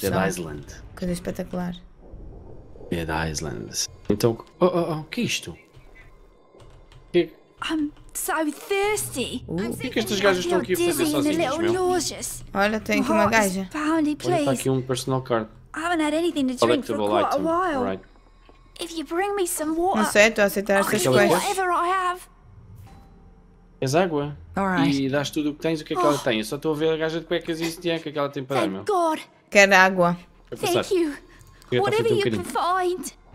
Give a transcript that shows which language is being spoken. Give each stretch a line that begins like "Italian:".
English: Dead Island.
Portuguese: Coisa espetacular. Dead Island. Então, o que é isto?
English: I'm so thirsty.
Portuguese: Por que estas gajas estão aqui a fazer sozinhas, meu? Olha, tem aqui uma gaja. Olha, está aqui um
English: personal card. I haven't had anything to drink for quite a while. Right. If you bring me some water,
Portuguese: não sei, estou a aceitar estas coisas.
English: Whatever I have.
Portuguese: És água.
English: Alright.
Portuguese: E dás tudo o que tens, o que é que ela tem? Eu só estou a ver a gaja de cuecas e estiã que ela tem para dar, meu.
English: Thank God.
Portuguese: Quero água.
English: Thank you. Whatever you can find.